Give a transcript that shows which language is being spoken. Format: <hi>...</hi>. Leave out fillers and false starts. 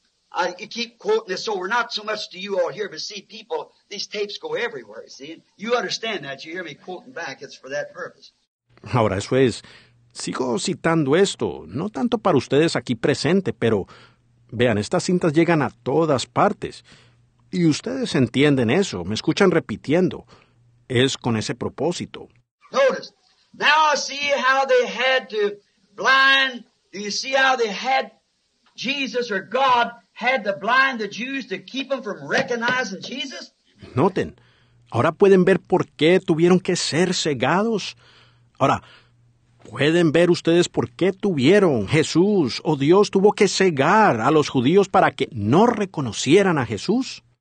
<en>I keep quoting this over, not so much to you all here, but see, people, these tapes go everywhere, you see? You understand that. You hear me quoting back. It's for that purpose.</en> <es>Ahora, eso es, sigo citando esto, no tanto para ustedes aquí presente, pero vean, estas cintas llegan a todas partes. Y ustedes entienden eso, me escuchan repitiendo. Es con ese propósito.</es> <en>Notice, now I see how they had to blind, do you see how they had Jesus or God had to blind the Jews to keep them from recognizing Jesus?</en> <es>Noten, ahora pueden ver por qué tuvieron que ser cegados. Ahora, pueden ver ustedes por qué tuvieron Jesús o Dios tuvo que cegar a los judíos para que no reconocieran a Jesús.</es>